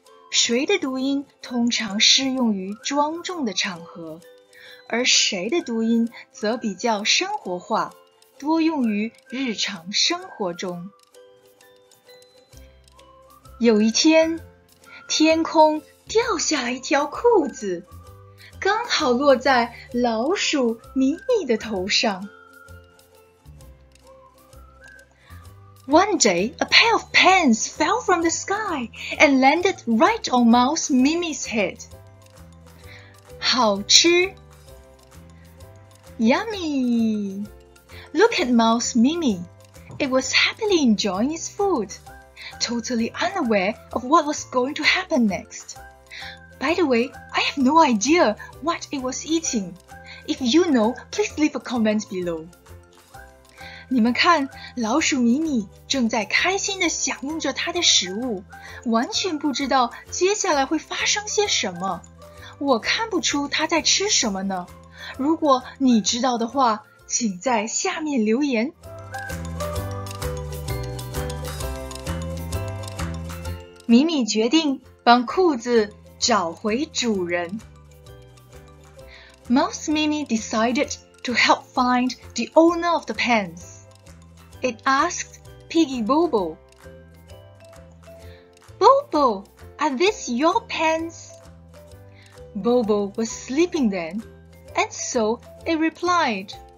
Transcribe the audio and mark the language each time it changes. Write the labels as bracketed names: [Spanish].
[Chinese] 谁的读音通常适用于庄重的场合，而谁的读音则比较生活化，多用于日常生活中。有一天，天空掉下来一条裤子，刚好落在老鼠米米的头上。 [English] One day, a pair of pants fell from the sky and landed right on Mouse Mimi's head. [Chinese] 好吃 ， [English] Yummy! Look at Mouse Mimi. It was happily enjoying its food. Totally unaware of what was going to happen next. By the way, I have no idea what it was eating. If you know, please leave a comment below. [Chinese] 你们看，老鼠米米正在开心地享用着它的食物，完全不知道接下来会发生些什么。我看不出它在吃什么呢。如果你知道的话，请在下面留言。米米决定帮裤子找回主人。 [English] Mouse Mimi decided to help find the owner of the pants. It asked Piggy Bobo. Bobo, are these your pants? Bobo was sleeping then, and so it replied.